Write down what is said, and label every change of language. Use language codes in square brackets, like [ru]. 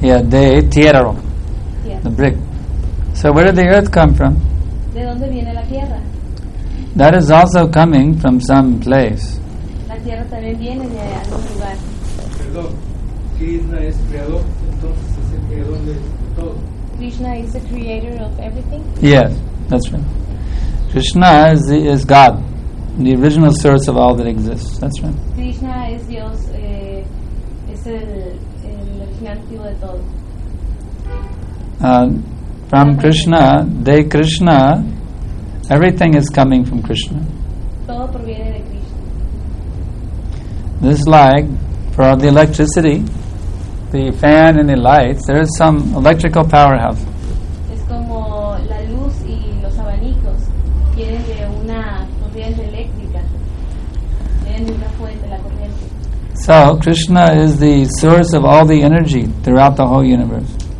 [en] Yeah, [es] de tierra. [en] Yeah. The brick. So where did the earth come from? [es] ¿De dónde viene la tierra? [en] That is also coming from some place. [es] La tierra también viene de algún lugar. Perdón. Krishna es creador, entonces es el creador de todo. [en] Krishna is the creator of everything? Yes, that's right. Krishna is God, the original source of all that exists. That's right. [es] Krishna is Dios, es el original de todo. [en] From Krishna, [es] de Krishna, [en] everything is coming from Krishna. [es] Todo proviene de Krishna. [en] This is like for the electricity, the fan and the lights, there is some electrical powerhouse. [es] Es como la luz y los abanicos vienen de una corriente eléctrica. Vienen de una fuente, la corriente. [en] So Krishna is the source of all the energy throughout the whole universe.